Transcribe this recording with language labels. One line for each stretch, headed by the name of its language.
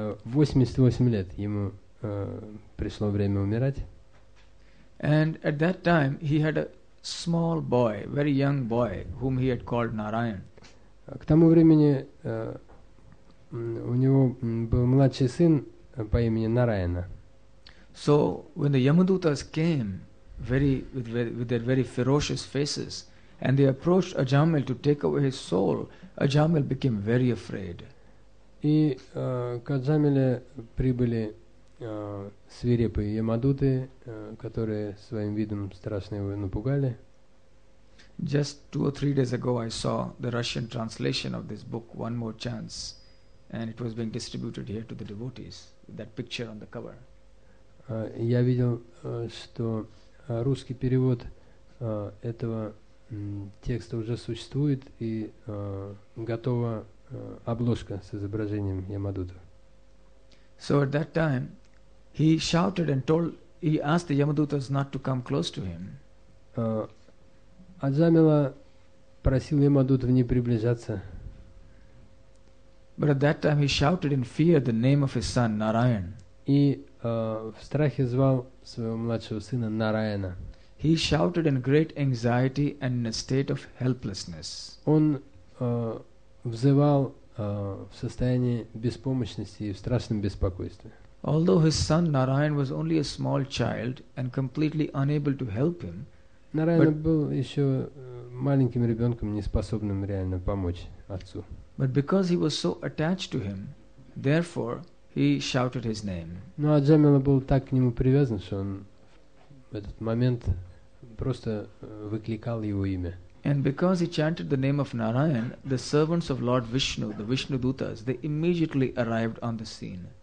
Russian: 88 лет ему пришло время умирать.
English: And at that time, he had a small boy, very young boy, whom he had called Narayan.
Russian: К тому времени у него был младший сын по имени Нараяна.
English: So when the Yamadutas came with their very ferocious faces and they approached Ajamil to take away his soul, Ajamil became very afraid.
Russian: И к Аджамиле прибыли свирепые ямадуты, которые своим видом страшно его напугали.
English: Just two or three days ago I saw the Russian translation of this book, One More Chance, and it was being distributed here to the devotees, that picture on the cover.
Russian: Я видел, что русский перевод этого текста уже существует и готова обложка с изображением Ямадуты.
English: So at that time, he shouted and told, he asked the Yamadutas not to come close to him.
Russian: Аджамила просил Ямадутов не приближаться.
English: But at that time he shouted in fear the name of his son Narayan.
Russian: И в страхе звал своего младшего сына Нараяна.
English: He shouted in great anxiety and in a state of helplessness.
Russian: Он взывал в состоянии беспомощности и в страшном беспокойстве.
English: Although his son Narayan was only a small child and completely unable to help him,
Russian: Нараян был еще маленьким ребенком, не способным реально помочь отцу.
English: But because he was so attached to him, therefore he shouted his name.
Russian: Но Аджамила был так к нему привязан, что он в этот момент просто выкликал его имя.
English: And because he chanted the name of Narayan, the servants of Lord Vishnu, the Vishnu Dutas, they immediately arrived on the scene.